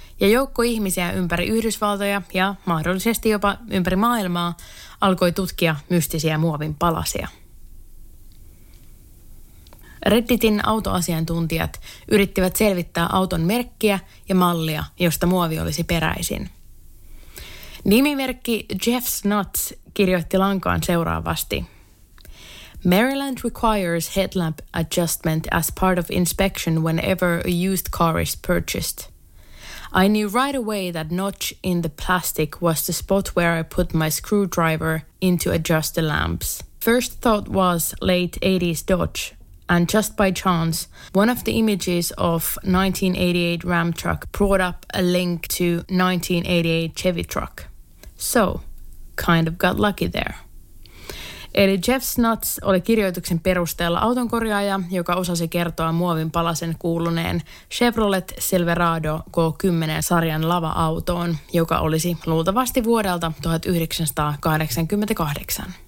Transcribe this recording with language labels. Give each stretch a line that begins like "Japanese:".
Finnish: Ja joukko ihmisiä ympäri Yhdysvaltoja ja mahdollisesti jopa ympäri maailmaa alkoi tutkia mystisiä muovin palasia. Redditin autoasiantuntijat yrittivät selvittää auton merkkiä ja mallia, josta muovi olisi peräisin. Nimimerkki Jeff's Nuts kirjoitti lankaan seuraavasti.
English: Maryland requires headlamp adjustment as part of inspection whenever a used car is purchased. I knew right away that notch in the plastic was the spot where I put my screwdriver in to adjust the lamps. First thought was late 80s Dodge. And just by chance, one of the images of 1988 Ram truck brought up a link to 1988 Chevy truck. So, kind of got lucky there.
Finnish: Eli Jeff Snuts oli kirjoituksen perusteella autonkorjaaja, joka osasi kertoa muovin palasen kuuluneen Chevrolet Silverado K10-sarjan lava-autoon, joka olisi luultavasti vuodelta 1988.